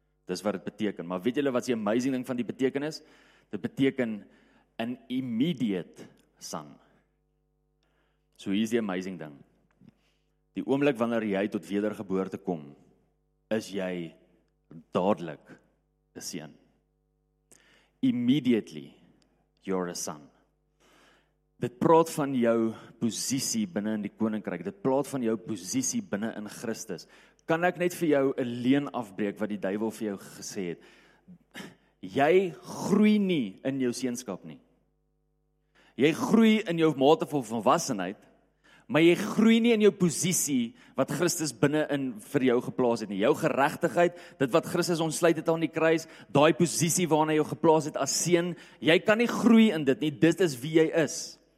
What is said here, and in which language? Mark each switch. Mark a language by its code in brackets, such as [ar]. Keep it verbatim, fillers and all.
[af] Dis wat dit beteken. Maar weet julle wat die amazing ding van die betekenis? Dit beteken [en] an immediate son. [af] So hier is die amazing ding. Die oomblik wanneer jy tot wedergeboorte kom, is jy dadelik 'n seun. [en] Immediately, you're a son. [af] Dit praat van jou posisie binne in die koninkryk. Dit praat van jou posisie binne in Christus. Kan ek net vir jou 'n leuen afbreek wat die duiwel vir jou gesê het? Jy groei nie in jou seunskap nie. Jy groei in jou mate van volwassenheid, maar jy groei nie in jou posisie wat Christus binne-in vir jou geplaas het nie. Jou geregtigheid, dit wat Christus ontsluit het aan die kruis, daai posisie waarna hy jou geplaas het as seun, jy kan nie groei in dit nie, dit is wie jy is.